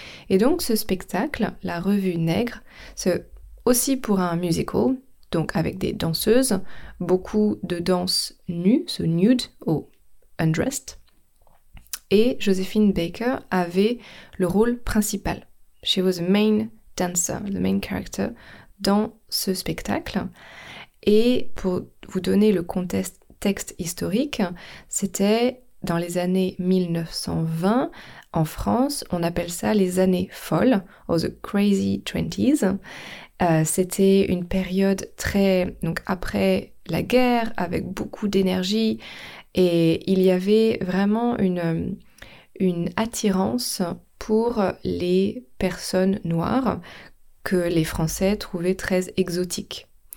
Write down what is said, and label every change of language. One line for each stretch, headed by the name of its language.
French: Et donc, ce spectacle, la Revue Nègre, c'est aussi pour un musical, donc avec des danseuses, beaucoup de danses nues,
English: so nude
French: ou
English: undressed,
French: et Joséphine Baker avait le rôle principal.
English: She was the main dancer, the main character,
French: dans ce spectacle. Et pour vous donner le contexte historique, c'était dans les années 1920, en France, on appelle ça les années folles,
English: or the crazy 20s.
French: C'était une période donc après la guerre, avec beaucoup d'énergie, et il y avait vraiment une attirance pour les personnes noires que les Français trouvaient très exotiques.